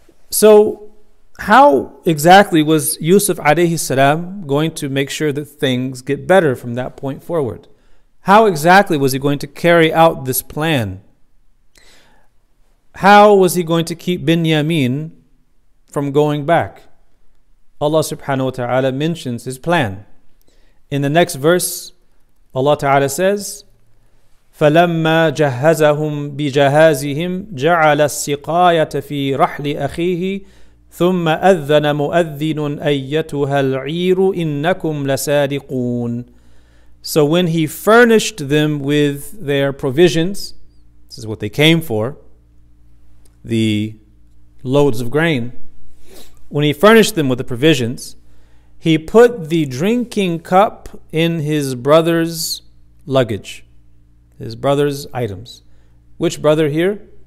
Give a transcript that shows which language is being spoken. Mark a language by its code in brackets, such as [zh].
[en] So how exactly was Yusuf alayhi salam going to make sure that things get better from that point forward? How exactly was he going to carry out this plan? How was he going to keep Binyamin from going back? Allah subhanahu wa ta'ala mentions his plan. In the next verse, Allah ta'ala says, [ar] فَلَمَّا جَهَّزَهُمْ بِجَهَازِهِمْ جَعَلَ السِّقَايَةَ فِي رَحْلِ أَخِيهِ ثم أذن مؤذن أيتها العير إنكم لسارقون. [en] So when he furnished them with their provisions, this is what they came for, the loads of grain. When he furnished them with the provisions, he put the drinking cup in his brother's luggage, his brother's items. Which brother here?